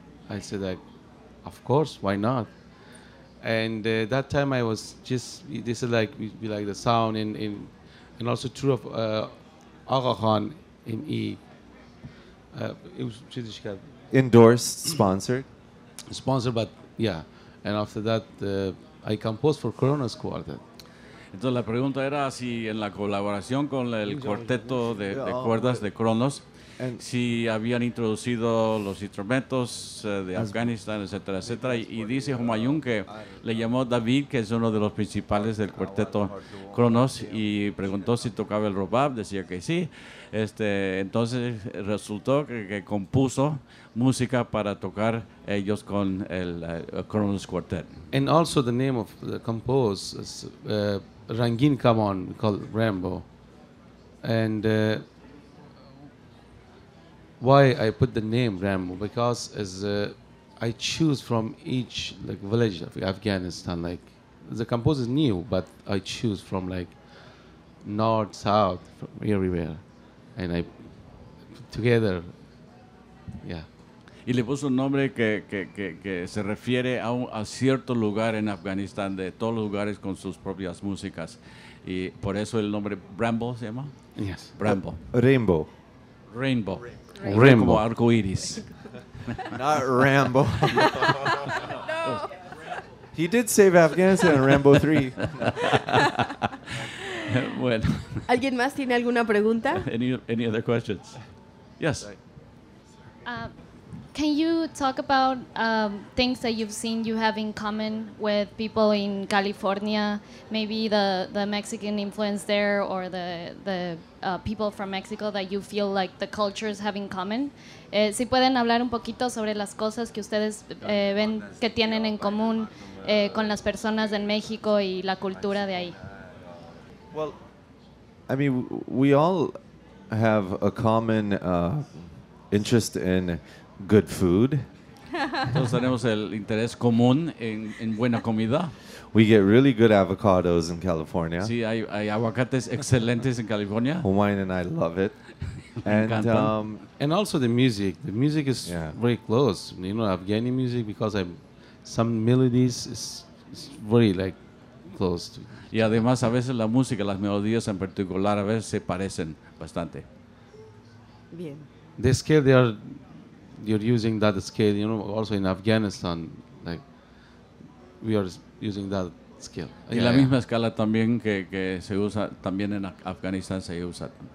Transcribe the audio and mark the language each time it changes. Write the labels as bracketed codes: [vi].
[en] I said, of course, why not? And that time I was just, this is like, we like the sound and also true of Aga Khan in E. It was endorsed, sponsored. Sponsored, but yeah. And after that, I composed for Kronos Quartet. [es] Entonces la pregunta era si en la colaboración con el cuarteto de cuerdas de Kronos, si habían introducido los instrumentos de Afganistán, etcétera, etcétera. Y dice Humayun que le llamó David, que es uno de los principales del cuarteto Kronos, y preguntó si tocaba el rubab, decía que sí. Entonces resultó que compuso música para tocar ellos con el Kronos Quartet. [en] And also the name of the composer is Rangin Kamon, called Rambo. And why I put the name Rambo? Because as I choose from each village of Afghanistan, the composer is new, but I choose from north, south, from everywhere. And I together, yeah. [es] Y le puso un nombre que se refiere a cierto lugar en Afganistán, de todos los lugares con sus propias músicas. Y por eso el nombre Rambo se llama? [en] Yes. Rambo. Rainbow. Rainbow. Rainbow. [es] Como arco iris. [en] Not Rambo. No. He did save Afghanistan in Rambo 3. [es] Bueno. ¿Alguien más tiene alguna pregunta? [en] Any other questions? Yes. Can you talk about things that you've seen you have in common with people in California, maybe the Mexican influence there or the people from Mexico that you feel like the cultures have in common? [es] Si pueden hablar un poquito sobre las cosas que ustedes ven que tienen en común con las personas en México y la cultura de ahí. [en] Well, I mean, we all have a common interest in good food. [es] Todos tenemos el interés común en buena comida. [en] We get really good avocados in California. [es] Sí, hay aguacates excelentes en California. [en] Hawaiian and I love it. And also the music. The music is very close. You know, Afghani music, because some melodies is very like close. [es] Y además a veces la música, las melodías en particular, a veces se parecen bastante. Bien. [en] The scale, you're using that scale, you know, also in Afghanistan, like, we are using that scale. [es] Y la misma escala también que se usa también en Afganistán se usa.